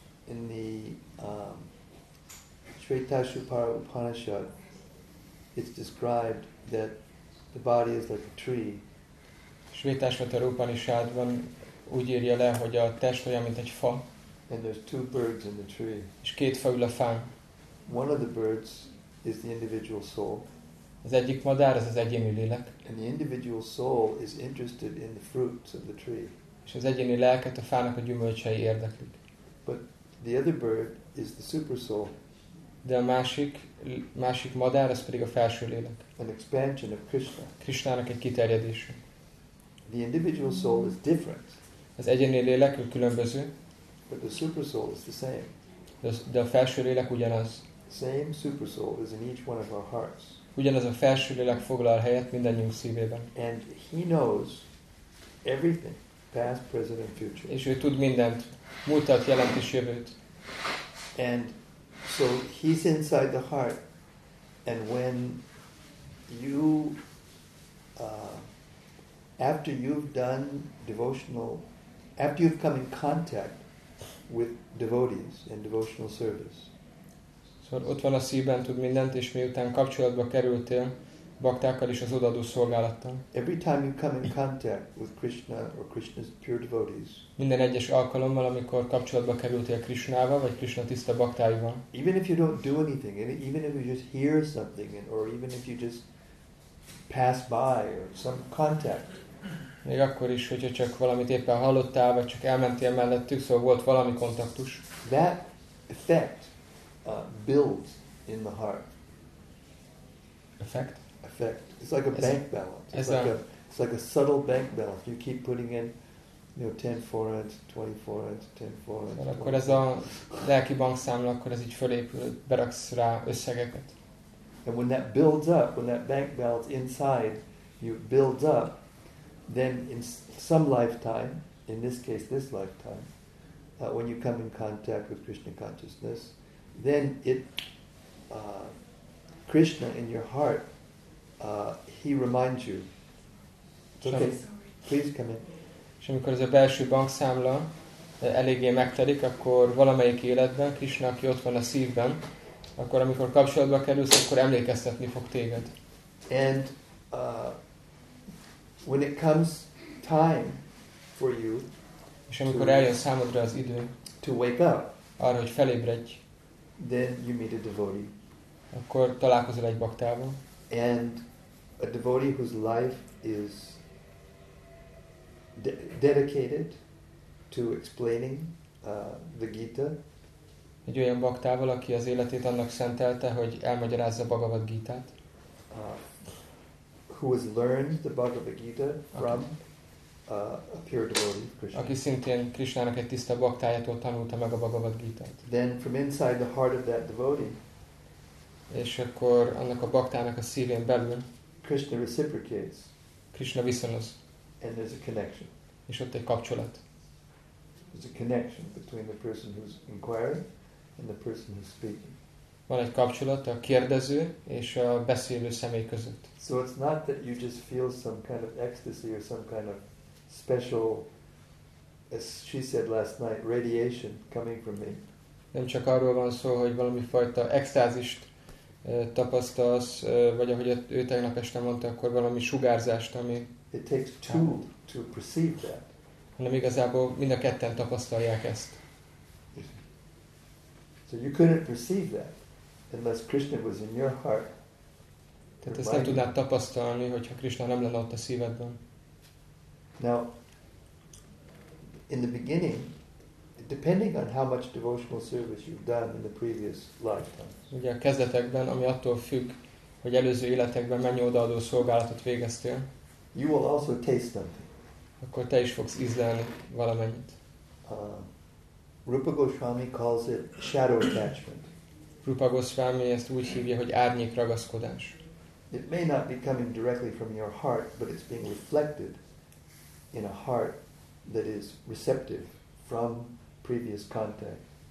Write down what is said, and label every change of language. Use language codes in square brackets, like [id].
[en] In the Shvetashvara Upanishad, it's described that the body is like a tree. [hu] Shvetashvara Upanishadban úgy írja le, hogy a test olyan, mint egy fa. [en] And there's two birds in the tree. [hu] És két fa ül a fán. [en] One of the birds is the individual soul. [hu] Az egyik madár az egyéni lélek. [en] And the individual soul is interested in the fruits of the tree. [hu] És az egyéni lelket a fának a gyümölcsei érdeklik. [en] But the other bird is the super soul. [hu] De a másik madár, az pedig a felső lélek. [en] An expansion of Krishna. [hu] Krishnának egy kiterjedése. [en] The individual soul is different. [hu] Az egyéni lélek különböző. [en] But the super soul is the same. [hu] De a felső lélek ugyanaz. [en] Same super soul is in each one of our hearts. [hu] Ugyanaz a felső lélek foglal helyet mindannyiunk szívében. [en] And he knows everything, past, present and future. [hu] És ő tud mindent, múltat, jelent és jövőt. [en] And so he's inside the heart, and when you after you've done devotional, after you've come in contact with devotees and devotional service. [hu] Szóval ott van a szívben, tud mindent, és miután kapcsolatba kerültél baktákkal és az odaadó szolgálattal. [en] Every time you come in contact with Krishna or Krishna's pure devotees. [hu] Minden egyes alkalommal, amikor kapcsolatba kerültél Krishnával vagy Krishna tiszta baktáival. [en] Even if you don't do anything, even if you just hear something, or even if you just pass by or some contact. [hu] Még akkor is, hogyha csak valamit éppen hallottál, vagy csak elmentél mellettük, szóval volt valami kontaktus. [en] That effect builds in the heart. Effect? Effect. It's like a bank balance. It's like a subtle bank balance. You keep putting in, you know, 10 forints, 20 forints, 10 forints. [hu] Szóval akkor ez a lelki bankszámla, akkor ez így fölépül, beraksz rá összegeket. [en] And when that builds up, when that bank balance inside you builds up, then in some lifetime, in this case this lifetime, when you come in contact with Krishna consciousness, then it Krishna in your heart, he reminds you. Okay, please come in. [hu] És amikor ez a belső bankszámla eléggé megtelik, akkor valamelyik életben, Krishna, aki ott van a szívben, akkor amikor kapcsolatba kerülsz, akkor emlékeztetni fog téged. [en] And when it comes time for you, [hu] és amikor eljön számodra az idő, [en] to wake up, [hu] arra, hogy felébredj, [en] then you meet a devotee. [hu] Akkor találkozol egy baktával. [en] And a devotee whose life is dedicated to explaining the Gita. [hu] Egy olyan baktával, aki az életét annak szentelte, hogy elmagyarázza a Bhagavad Gita-t. [en] Who has learned the Bhagavad Gita from a pure devotee, Krishna. [hu] Aki szintén Krishnának egy tiszta baktájától tanulta meg a Bhagavad Gita-t. [en] Then from inside the heart of that devotee, [hu] és akkor annak a baktának a szívén belül [en] Krishna reciprocates. [hu] Krishna viszonoz. [en] And there's a connection. [hu] És ott egy kapcsolat. [en] There's a connection between the person who's inquiring and the person who's speaking. [hu] Van egy kapcsolat a kérdező és a beszélő személy között. [en] So it's not that you just feel some kind of ecstasy or some kind of special as she said last night, radiation coming from me. [hu] Nem csak arról van szó, hogy valami fajta extázist tapasztalsz, vagy ahogy ő tegnap este mondta, akkor valami sugárzást, ami... [en] It takes two to perceive that. [hu] Hanem igazából mind a ketten tapasztalják ezt. [en] So you couldn't perceive that unless Krishna was in your heart. [hu] Tehát ezt nem tudnád tapasztalni, hogyha Krishna nem lenne ott a szívedben. [en] Now, in the beginning, depending on how much devotional service you've done in the previous lifetimes. [hu] Ugye a kezdetekben, ami attól függ, hogy előző életekben mennyi odaadó szolgálatot végeztél, [en] you will also taste something. [hu] Akkor te is fogsz ízlelni valamennyit. [en] Rupa Goswami calls it shadow attachment. [hu] Rupa Goswami ezt úgy hívja, hogy árnyék ragaszkodás. [en] It may not be coming directly from your heart, but it's being reflected in a heart that is receptive from previous contact.